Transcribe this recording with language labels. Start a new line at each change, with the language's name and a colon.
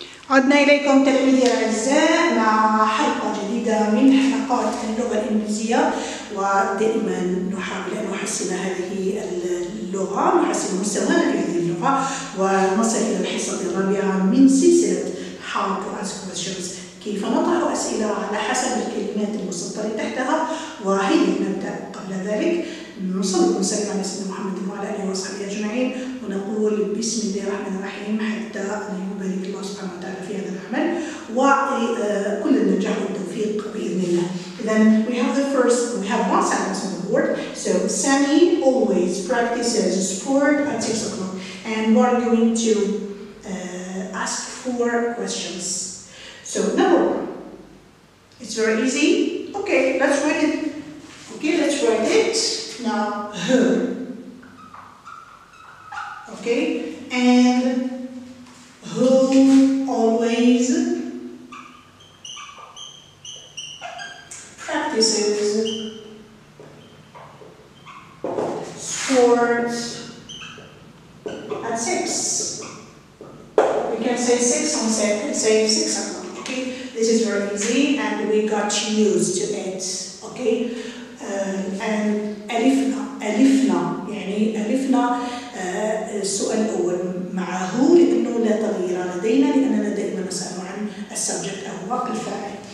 Arabic: عدنا إليكم تحية أعزاء مع حلقة جديدة من حلقات اللغة الإنجليزية، ودائما نحاول أن نحسن هذه اللغة، نحسن مستوى هذه اللغة، ونصل إلى الحصة الرابعة من سلسلة
English: How to Ask Questions،
Arabic: كيف نطرح أسئلة على حسب الكلمات المسطرة تحتها. وهي نبدأ قبل ذلك، نصلي ونسلم على سيدنا محمد وعلى آله وصحبه أجمعين، ونقول بسم الله الرحمن الرحيم حتى يبارك الله سبحانه وتعالى في هذا العمل وكل النجاح والتوفيق بإذن الله.
English: Then we have the first, we have one sentence on the board. So Sammy always practices sport at 6 o'clock, and we are going to ask 4 questions. So number one, it's very easy. Okay, let's write it. Okay, let's write it. Now, who? Okay, and who always practices sports at 6? We can say 6 o'clock. Okay, this is very easy, and we got used to it. Okay.
Arabic: And ألفنا يعني ألفنا السؤال الأول مع هو، لأنه لا تغيير لدينا لأننا دائما نسأل عن السبجكت أو وقت الفاعل.